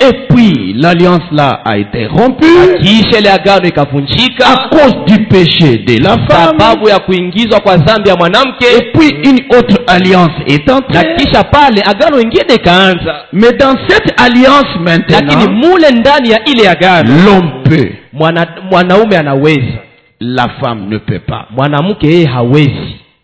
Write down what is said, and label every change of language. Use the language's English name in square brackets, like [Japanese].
[French] Et puis l'alliance là a été rompue. [Swahili] Akiisha ile agano ikavunjika. [French] À cause du péché de la femme. [Swahili] Sababu ya kuingizwa kwa dhambi ya mwanamke. [French] Et puis une autre alliance est entrée. [Swahili] Akiisha pale agano lingine kaanza. [French] Mais dans cette alliance maintenant. [Swahili] Lakini mule ndani ya ile agano. [French] L'homme peut. [Swahili] Mwanaume anaweza. [French] La femme ne peut pas. [Swahili] Mwanamke yeye hawezi.